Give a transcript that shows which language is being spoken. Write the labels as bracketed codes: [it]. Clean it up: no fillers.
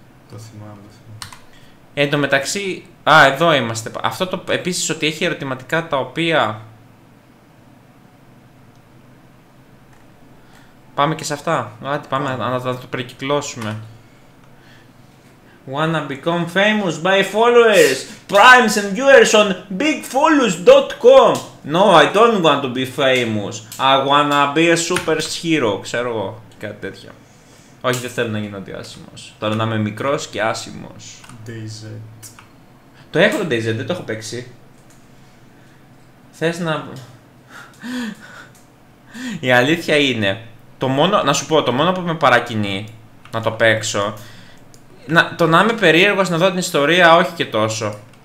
[el] Το θυμάμαι. Εν τω μεταξύ, εδώ είμαστε. Αυτό το επίσης ότι έχει ερωτηματικά τα οποία. Πάμε και σε αυτά. Άντε, πάμε να το περικυκλώσουμε. [en] Wanna become famous by followers, primes and viewers on bigfollows.com. No, I don't want to be famous. I wanna be a super hero, [el] ξέρω εγώ. Κάτι τέτοιο. Όχι, δεν θέλω να γίνω διάσημος. Τώρα να είμαι μικρός και άσημος. DayZ. Το έχω το DayZ, δεν το έχω παίξει. Θες να. Η αλήθεια είναι, το μόνο, να σου πω, το μόνο που με παρακινεί να το παίξω, το να είμαι περίεργος να δω την ιστορία, όχι και τόσο.